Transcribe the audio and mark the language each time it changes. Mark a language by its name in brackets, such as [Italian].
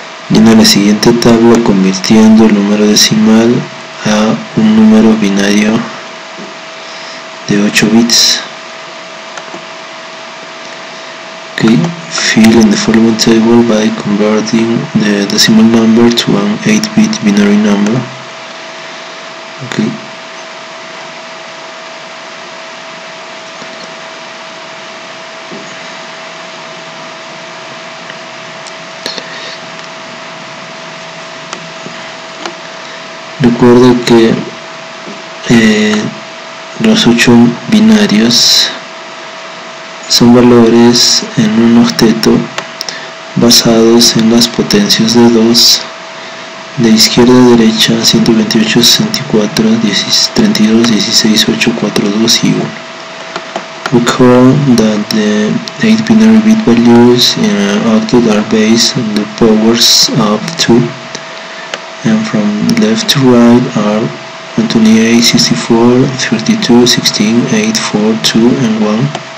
[Spanish] Y en la siguiente tabla, convirtiendo el número decimal a un número binario de 8 bits. [English] Okay. Fill in the following table by converting the decimal number to an 8-bit binary number. Okay. [Spanish] Recuerda que los 8 binarios son valores en un octeto basados en las potencias de 2, de izquierda a derecha, 128, 64, 32, 16, 8, 4, 2 y 1. [English] Recall that the 8 binary bit values in an octet are based on the powers of 2, and from left to right are 128, 64, 32, 16, 8, 4, 2 and 1.